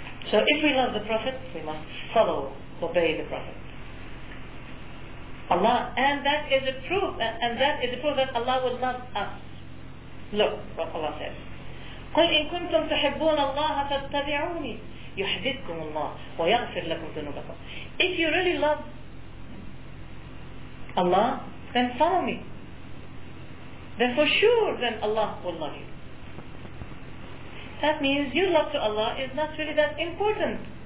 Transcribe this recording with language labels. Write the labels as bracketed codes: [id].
[en] So if we love the Prophet, we must follow, obey the Prophet. Allah, and that is a proof, and that is a proof that Allah will love us. Look what Allah says. [ar] قل إن كنتم تحبون الله فاتبعوني يحببكم الله ويغفر لكم ذنوبكم. [en] If you really love Allah, then follow me. Then for sure, then Allah will love you. That means your love to Allah is not really that important.